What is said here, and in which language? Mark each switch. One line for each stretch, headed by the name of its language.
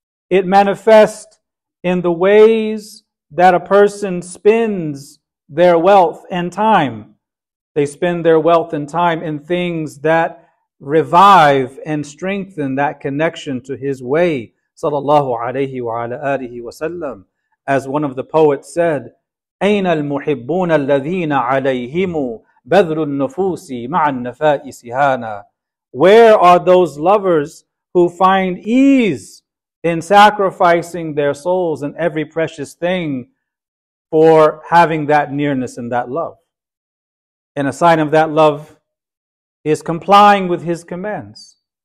English: It manifests in the ways that a person spends their wealth and time. They spend their wealth and time in things that revive and strengthen that connection to his way, sallallahu alayhi wa ala alihi wa sallam. As one of the poets said,
Arabic: "أين المحبون الذين عليهم بذل النفوس مع النفائس هانا."
English: Where are those lovers who find ease in sacrificing their souls and every precious thing for having that nearness and that love? And a sign of that love is complying with his commands.